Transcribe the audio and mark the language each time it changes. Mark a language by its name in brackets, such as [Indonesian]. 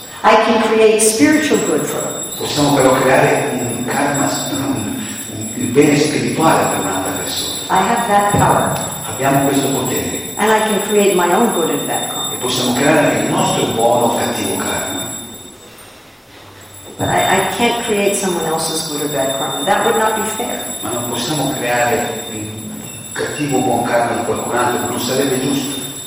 [English] I can create spiritual good for others. [Italian] Possiamo però creare un karma, un bene spirituale per un'altra persona. [English] I have that power. [Italian] Abbiamo questo potere. [English] And I can create my own good and bad karma. [Italian] E possiamo creare anche il nostro buono o cattivo karma. [English] But I can't create someone else's good or bad karma. That would not be fair. [Italian] Ma non possiamo creare un cattivo o buon karma di qualcun altro, non sarebbe giusto.